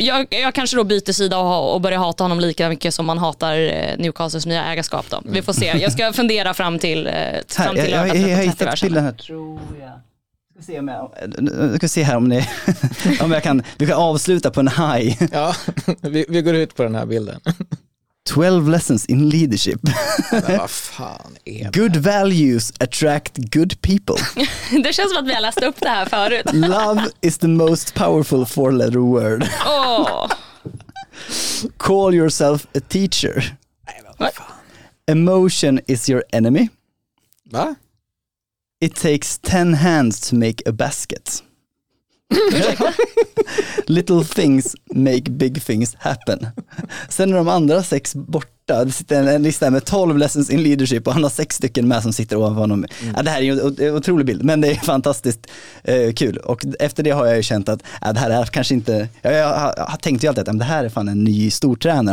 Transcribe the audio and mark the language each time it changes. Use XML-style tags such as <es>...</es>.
<sv>Jag kanske då byter sida och börjar hata honom lika mycket som man hatar Newcastles nya ägarskap då. Vi får se. Jag ska fundera fram till jag hittat bilden här, tror jag. Ska se här om vi kan avsluta på en high. Ja, vi går ut på den här bilden.</sv> <en>12 lessons in leadership.</en> <sv>Men vad fan är det?</sv> <en>Good values attract good people.</en> <sv>Det känns som att vi har läst upp det här förut.</sv> <en>Love is the most powerful four-letter word. Oh. Call yourself a teacher.</en> <sv>Vad?</sv> <en>Emotion is your enemy.</en> <sv>Va?</sv> <en>It takes 10 hands to make a basket. Little things make big things happen.</en> <sv>Sen är de andra sex borta. Det sitter en lista med</sv> <en>12 lessons in leadership,</en> <sv>och han har 6 stycken med som sitter ovanför honom. Ja, det här är ju en otrolig bild, men det är fantastiskt kul. Och efter det har jag ju känt att det här är kanske inte, jag tänkte ju alltid att det här är fan en ny stortränare.</sv>